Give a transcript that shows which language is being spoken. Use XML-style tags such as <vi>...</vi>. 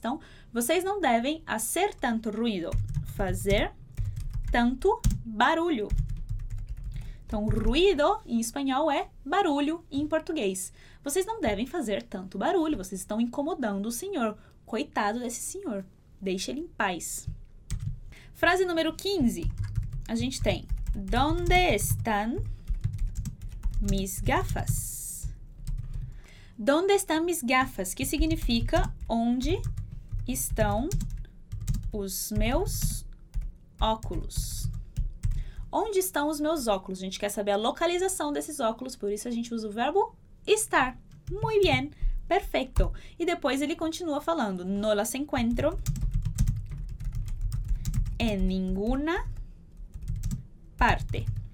<pt>Então, vocês não devem</pt> <es>hacer tanto ruido,</es> <pt>fazer tanto barulho. Então, ruído em espanhol é barulho em português. Vocês não devem fazer tanto barulho, vocês estão incomodando o senhor. Coitado desse senhor, deixe ele em paz. Frase número 15, a gente tem,</pt> <es>¿Dónde están mis gafas? ¿Dónde están mis gafas?</es> <pt>Que significa, onde estão os meus óculos? Onde estão os meus óculos? A gente quer saber a localização desses óculos, por isso a gente usa o verbo estar.</pt> <es>Muy bien, perfecto.</es> <pt>E depois ele continua falando,</pt> <es>no las encuentro en ninguna parte.</es>